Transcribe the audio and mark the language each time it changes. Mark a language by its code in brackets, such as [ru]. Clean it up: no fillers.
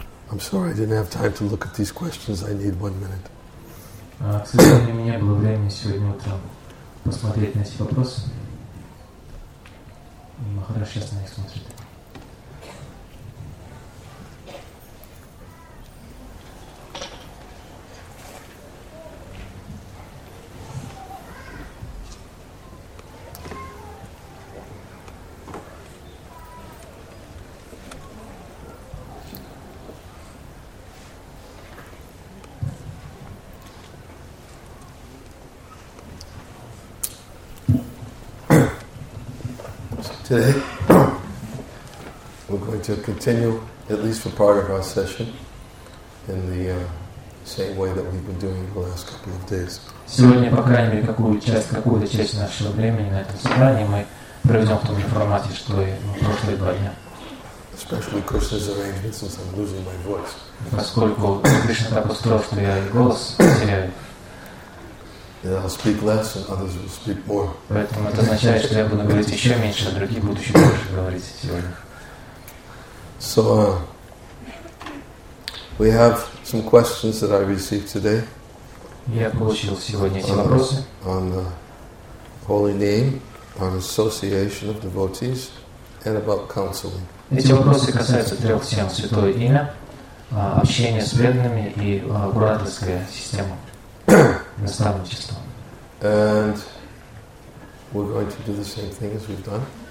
[en] I'm sorry, I didn't have time to look at these questions. I need 1 minute. [ru] К сожалению, у меня было времени сегодня утром посмотреть на эти вопросы. Махарадж сейчас на них смотрит. [en] Today, we're going to continue, at least for part of our session, in the same way that we've been doing the last couple of days. [ru] Сегодня, по крайней мере, какую-то часть нашего времени на этом собрании мы проведем в том же формате, что и прошлые два дня. [en] Especially Krishna's arrangement, since I'm losing my voice. [ru] Поскольку Кришна так устроил, что я голос теряю. [en] And I'll speak less, and others will speak more. [ru] Поэтому это означает, что я буду говорить еще меньше, а другие будут еще больше говорить сегодня. [en] So we have some questions that I received today. [ru] Я получил сегодня эти вопросы. [en] On the holy name, on association of devotees, and about counseling. [ru] Эти вопросы касаются трех тем: святое имя, общения с преданными и гурадхарская система. [en] And we're going to do the same thing as we've done.